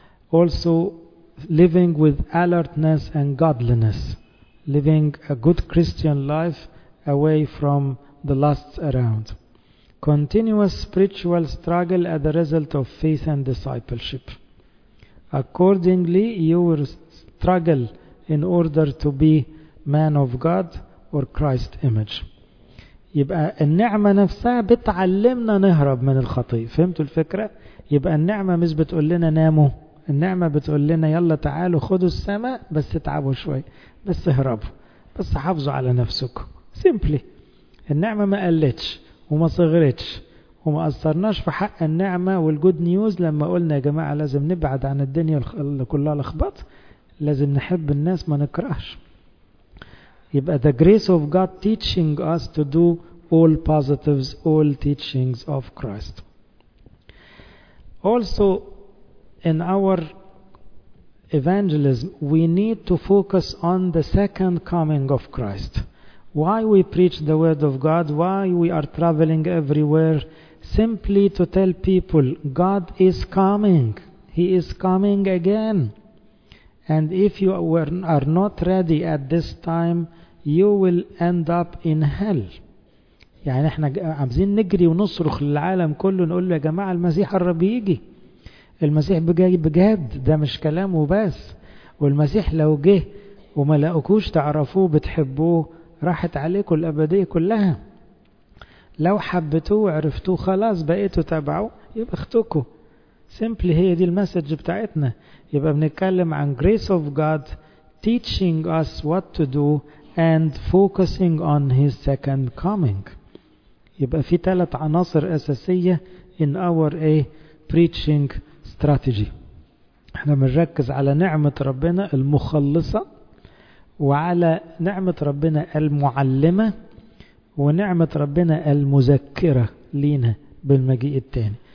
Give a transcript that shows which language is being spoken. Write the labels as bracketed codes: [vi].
[en] Also, living with alertness and godliness, living a good Christian life away from the lusts around. Continuous spiritual struggle as a result of faith and discipleship. Accordingly, you will struggle in order to be man of God or Christ image. [ar] يبقى النعمة نفسها بتعلمنا نهرب من الخطية. فهمتوا الفكرة؟ يبقى النعمة مش بتقول لنا ناموا. النعمة بتقول لنا يلا تعالوا خدوا السماء بس تعبوا شوي. بس اهربوا. بس حافظوا على نفسكم. Simply. النعمة ما قلتش وما صغرتش وما أثرناش في حق النعمة والجود نيوز لما قلنا يا جماعة لازم نبعد عن الدنيا كلها لخبط. لازم نحب الناس ما نكرهش. [en] يبقى the grace of God teaching us to do all positives, all teachings of Christ. Also, in our evangelism, we need to focus on the second coming of Christ. Why we preach the word of God, why we are traveling everywhere, simply to tell people, God is coming. He is coming again. And if you are not ready at this time, you will end up in hell. [ar] يعني احنا عايزين نجري ونصرخ للعالم كله نقول له يا جماعة المسيح الرب يجي. المسيح جاي بجد ده مش كلام وبس. والمسيح لو جه وما لقوكوش تعرفوه بتحبوه راحت عليكم الأبدية كلها. لو حبتوه وعرفتوه خلاص بقيتوا تابعوه يبقى اختكوا. Simply هي دي المسج بتاعتنا. يبقى بنتكلم عن [en] grace of God teaching us what to do and focusing on his second coming. [ar] يبقى في ثلاث عناصر أساسية [en] in our a preaching strategy. [ar] احنا بنركز على نعمة ربنا المخلصة وعلى نعمة ربنا المعلمة ونعمة ربنا المذكرة لينا بالمجيء الثاني.